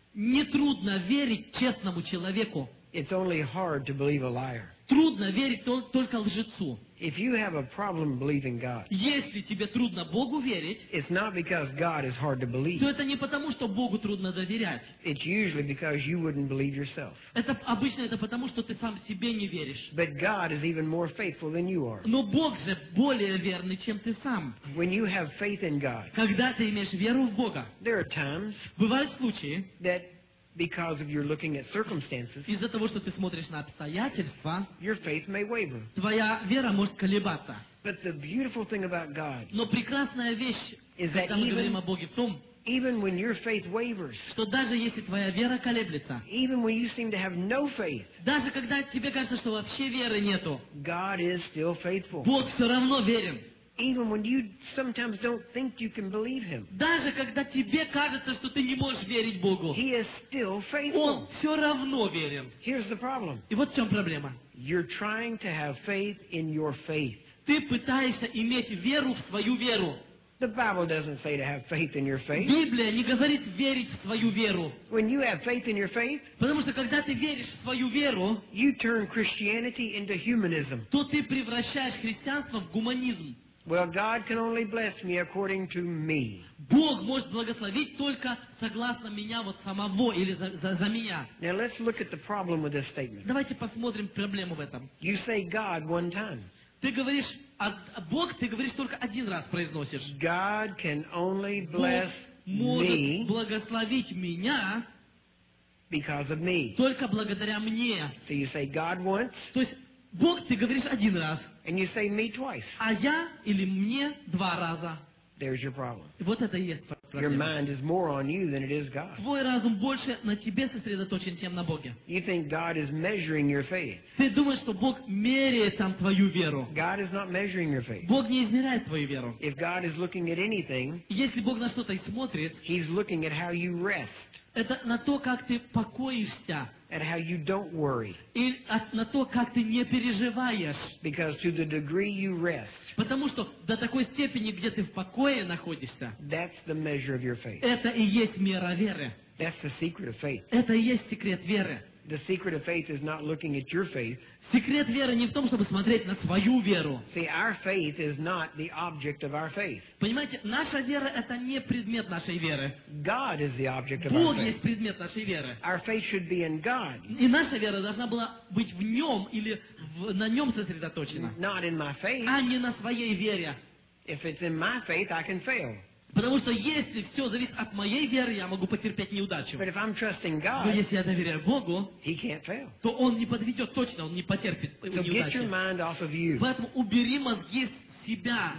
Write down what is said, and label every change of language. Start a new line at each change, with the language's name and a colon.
Russian: Не трудно верить честному человеку.
English: It's only hard to believe a liar.
Russian: Трудно верить только лжецу.
English: If you have a problem believing God,
Russian: если тебе трудно Богу верить,
English: it's not because God is hard to believe.
Russian: То это не потому, что Богу трудно доверять.
English: It's usually because you wouldn't believe yourself.
Russian: Это обычно это потому, что ты сам себе не веришь.
English: But God is even more faithful than you are.
Russian: Но Бог же более верный, чем ты сам.
English: When you have faith in God,
Russian: когда ты имеешь веру в Бога,
English: there are times,
Russian: бывают случаи,
English: that because of your looking at circumstances,
Russian: из-за того, что ты смотришь на обстоятельства,
English: your faith may waver.
Russian: Твоя вера может колебаться.
English: But the beautiful thing about God,
Russian: но прекрасная вещь,
English: is that
Russian: когда мы говорим о Боге, в том,
English: even when your faith wavers,
Russian: что даже если твоя вера колеблется,
English: even when you seem to have no faith,
Russian: даже когда тебе кажется, что вообще веры нету,
English: God is still faithful.
Russian: Бог все равно верен.
English: Even when you sometimes don't think you can believe him.
Russian: Даже когда тебе кажется, что ты не можешь верить Богу.
English: He is still faithful.
Russian: Он все равно верен.
English: Here's the problem.
Russian: И вот в чем проблема.
English: You're trying to have faith in your faith.
Russian: Ты пытаешься иметь веру в свою веру.
English: The Bible doesn't say to have faith in your faith.
Russian: Библия не говорит верить в свою веру.
English: When you have faith in your faith,
Russian: потому что когда ты веришь в свою веру,
English: you turn Christianity into humanism.
Russian: То ты превращаешь христианство в гуманизм.
English: Well, God can only bless me according to me.
Russian: Бог может благословить только согласно меня вот самого или за меня.
English: Now let's look at the problem with this statement.
Russian: Давайте посмотрим проблему в этом.
English: You say God one time.
Russian: Ты говоришь Бог, ты говоришь только один раз произносишь.
English: God can only bless me.
Russian: Бог может благословить меня.
English: Because of me.
Russian: Только благодаря мне.
English: So you say God once.
Russian: То есть Бог, ты говоришь один раз.
English: And you say me twice.
Russian: А я или мне два раза.
English: There's your problem.
Russian: Вот это и есть проблема.
English: Your mind is more on you than it is God.
Russian: Твой разум больше на тебе сосредоточен, чем на Боге.
English: You think God is measuring your faith.
Russian: Ты думаешь, что Бог меряет там твою веру.
English: God is not measuring your faith.
Russian: Бог не измеряет твою веру.
English: If God is looking at anything,
Russian: если Бог на что-то и смотрит,
English: He's looking at how you rest.
Russian: Это на то, как ты покоишься.
English: at how you don't worry.
Russian: И на то, как ты не переживаешь.
English: Because to the degree you rest.
Russian: Потому что до такой степени, где ты в покое находишься.
English: That's the measure of your faith.
Russian: Это и есть мера веры.
English: That's the secret of faith.
Russian: Это и есть секрет веры.
English: The secret of faith is not looking at your faith.
Russian: Секрет веры не в том, чтобы смотреть на свою веру.
English: See, our faith is not the object of our faith.
Russian: Понимаете, наша вера это не предмет нашей веры.
English: God is the object of
Russian: Бог Бог есть предмет нашей веры.
English: Our faith should be in God.
Russian: И наша вера должна была быть в Нем или на Нем сосредоточена.
English: Not in my faith.
Russian: А не на своей вере.
English: If it's in my faith, I can fail.
Russian: Потому что если все зависит от моей веры, я могу потерпеть неудачу.
English: But if I'm trusting God,
Russian: но если я доверяю Богу,
English: he can't fail.
Russian: То Он не подведет точно, Он не потерпит
English: so
Russian: неудачи.
English: Get your mind off of you.
Russian: Поэтому убери мозги с себя.